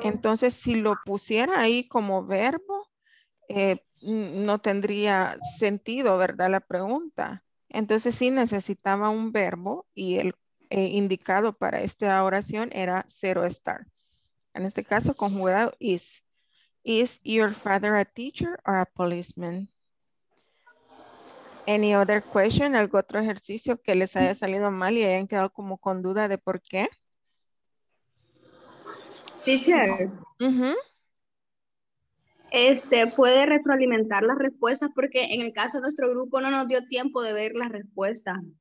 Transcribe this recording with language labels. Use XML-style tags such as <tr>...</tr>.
<es>Entonces, si lo pusiera ahí como verbo, no tendría sentido, ¿verdad? La pregunta. Entonces, sí necesitaba un verbo y el indicado para esta oración era ser o estar. En este caso conjugado is.</es> <en>Is your father a teacher or a policeman? Any other question?</en> <es>¿Algún otro ejercicio que les haya salido mal y hayan quedado como con duda de por qué?</es> <en>Teacher. Uh-huh.</en> <es>¿Puede retroalimentar las respuestas? Porque en el caso de nuestro grupo no nos dio tiempo de ver las respuestas.</es>